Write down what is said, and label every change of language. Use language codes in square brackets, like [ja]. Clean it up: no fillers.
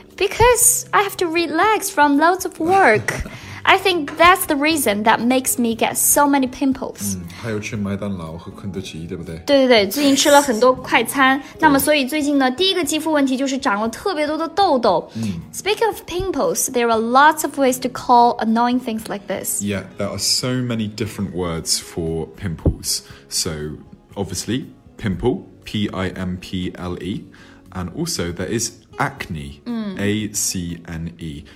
[en] Because I have to relax from loads of work. I think that's the reason that makes me get so many pimples. [zh] 还有吃麦当劳和肯德基，对不对？对对对，最近吃了很多快餐。那么所以最近呢，第一个肌肤问题就是长了特别多的痘痘。 [en] Speaking of pimples, there are lots of ways to call annoying things like this. Yeah, there are so many different words for pimples. So obviously, pimple, P-I-M-P-L-E. And also there is acne. A-C-N-E.